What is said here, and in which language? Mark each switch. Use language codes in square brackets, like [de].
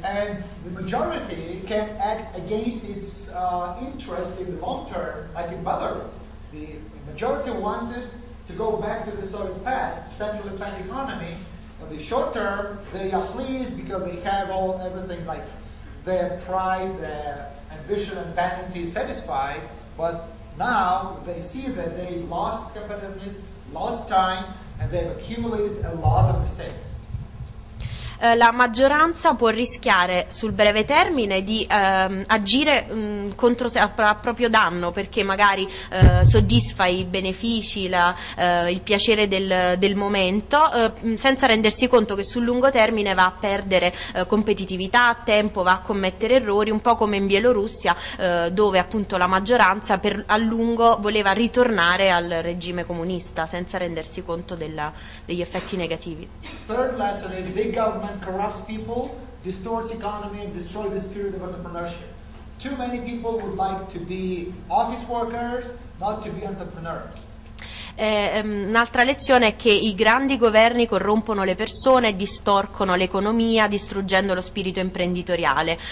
[en] And the majority can act against its interest in the long term, like in Belarus. The majority wanted to go back to the Soviet past, centrally planned economy. In the short term, they are pleased because they have all everything like their pride, their ambition and vanity satisfied. But now they see that they lost competitiveness, lost time, and they've accumulated a lot of mistakes. [it] La maggioranza può rischiare sul breve termine di agire contro a proprio danno, perché magari soddisfa i benefici, il piacere del momento, senza rendersi conto che sul lungo termine va a perdere competitività, tempo, va a commettere errori, un po' come in Bielorussia, dove appunto la maggioranza a lungo voleva ritornare al regime comunista, senza rendersi conto degli effetti negativi. [en] Third lesson is big government corrupts people, distorts economy, and destroys the spirit of entrepreneurship. Too many people would like to be office workers, not to be entrepreneurs. [it] Un'altra lezione è che i grandi governi corrompono le persone, distorcono l'economia, distruggendo lo spirito imprenditoriale.